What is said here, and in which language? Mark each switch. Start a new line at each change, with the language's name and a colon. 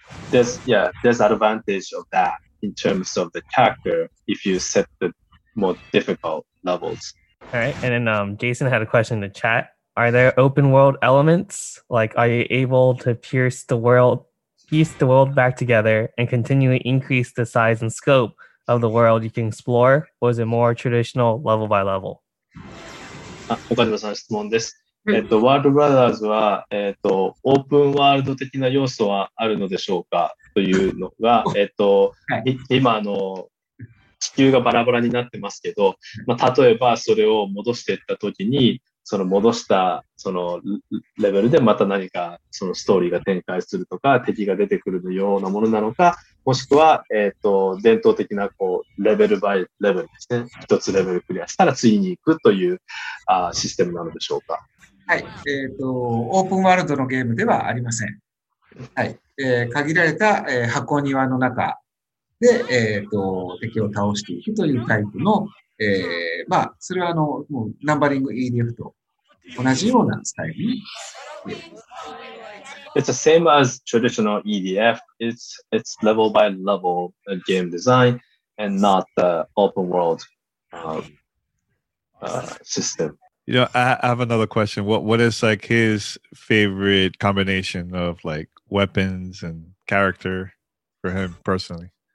English: there's advantage of that in terms of the character if you set the more difficult levels. All right, and then Jason had a question in the chat. Are there open world elements? Like, are you able to piece the world back together and continually increase the size and scope of the world you can explore? Or is it more traditional level by level?
Japanese: World Brothers は、オープンワールド的な要素はあるのでしょうかというのが、今の地球がバラバラになってますけど、まあ、例えばそれを戻していったときに、その戻したそのレベルでまた何かそのストーリーが展開するとか、敵が出てくるようなものなのか、もしくは、伝統的なこうレベルバイレベルですね、一つレベルクリアしたら次に行くというシステムなのでしょうか。はい、オープンワールドのゲームではありません。はい、限られた、箱庭の中で、敵を倒していくというタイプの、まあ、それはもうナンバリング EDF と同じようなスタイルに。
English: It's the same as traditional EDF. It's level by level game design and not the open world system. You know, I have another question. What is like his favorite combination of like weapons and character for him personally?